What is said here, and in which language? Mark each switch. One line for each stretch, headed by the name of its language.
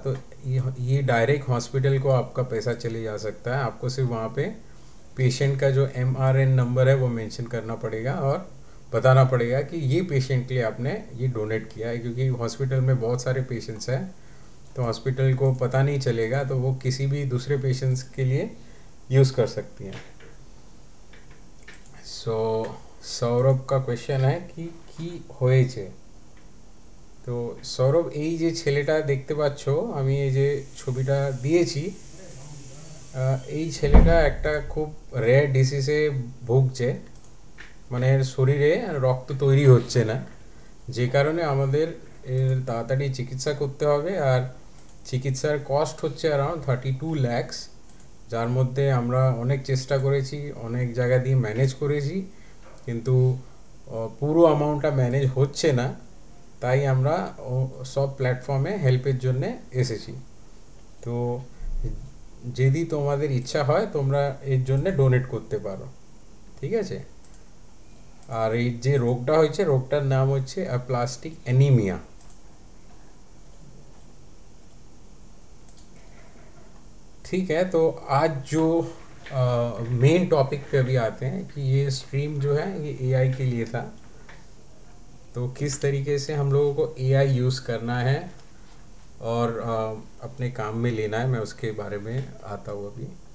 Hindi: तो ये direct hospital को आपका पैसा चले जा सकता है, आपको सिर्फ वहाँ पे पेशेंट का जो MRN नंबर है वो मेंशन करना पड़ेगा और बताना पड़ेगा कि ये पेशेंट के लिए आपने ये डोनेट किया है, क्योंकि हॉस्पिटल में बहुत सारे पेशेंट्स हैं तो हॉस्पिटल को पता नहीं चलेगा, तो वो किसी भी दूसरे पेशेंट्स के लिए यूज़ कर सकती हैं। सौरभ का क्वेश्चन है कि
Bangla: होए छे, তো সৌরভ এই যে ছেলেটা দেখতে পাচ্ছ, আমি এই যে ছবিটা দিয়েছি, এই ছেলেটা একটা খুব রেয়ার ডিসিজে ভুগছে, মানে শরীরে রক্ত তৈরি হচ্ছে না, যে কারণে আমাদের এর তাড়াতাড়ি চিকিৎসা করতে হবে, আর চিকিৎসার কস্ট হচ্ছে অ্যারাউন্ড 32 লাখস, যার মধ্যে আমরা অনেক চেষ্টা করেছি, অনেক জায়গা দিয়ে ম্যানেজ করেছি, কিন্তু পুরো অ্যামাউন্টটা ম্যানেজ হচ্ছে না, তাই আমরা সব প্ল্যাটফর্মে হেল্পের জন্য এসেছি। তো যদি তোমাদের ইচ্ছা হয় তোমরা এর জন্য ডোনেট করতে পারো, ঠিক আছে? আর এই যে রোগটা হয়েছে রোগটার নাম হচ্ছে অ্যাপ্লাস্টিক অ্যানিমিয়া।
Hindi: ঠিক হ্যাঁ, তো আজ যো মেন টপিক পে অভি আতে হ্যাঁ কি ইয়ে স্ট্রিম জো হ্যাঁ ইয়ে এআই কে লিয়ে থা, तो किस तरीके से हम लोगों को AI यूज़ करना है और अपने काम में लेना है, मैं उसके बारे में आता हूँ अभी।